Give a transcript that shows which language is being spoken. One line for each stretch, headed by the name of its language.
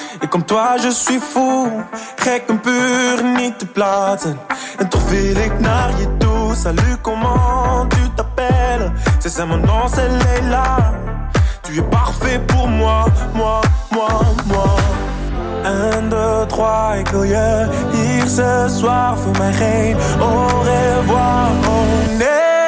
French: comme toi je suis fou,
Dutch: gek en puur niet te plaatsen. En toch wil ik naar je toe,
French: salut comment tu t'appelles. C'est ça mon nom, c'est Leila. Tu es parfait pour moi, moi, moi, moi.
Dutch: 1, 2, 3, ik wil je hier
French: ce soir,
Dutch: voor mij geen au revoir, oh nee.